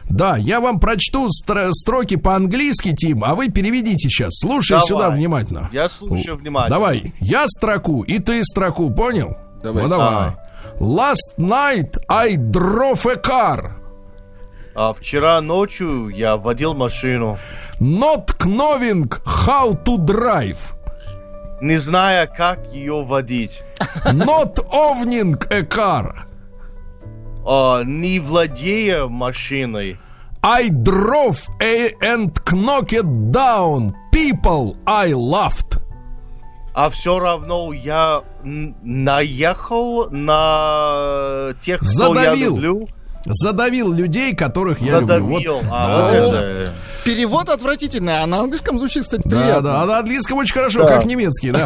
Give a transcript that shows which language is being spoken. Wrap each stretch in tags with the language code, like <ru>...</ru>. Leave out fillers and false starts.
<ru>Вот, да, я вам прочту строки по-английски, Тим, а вы переведите сейчас. Слушай, давай сюда внимательно. Я слушаю внимательно. Давай, я строку, и ты строку, понял? Давай. Ну, давай.</ru> <en>Last night I drove a car.</en> <ru>А вчера ночью я водил машину.</ru> <en>Not knowing how to drive.</en> <ru>Не зная, как ее водить.</ru> <en>Not owning a car.</en> <ru>Не владея машиной.</ru> <en>I drove and knocked down people I loved.</en> <ru>А все равно я наехал на тех, кто задавил. Я люблю. Задавил людей, которых задавил. Я люблю. Задавил. Вот. Да. Перевод отвратительный, а на английском звучит, кстати, приятно. Да, да, на английском очень хорошо, да, как немецкий, да.</ru>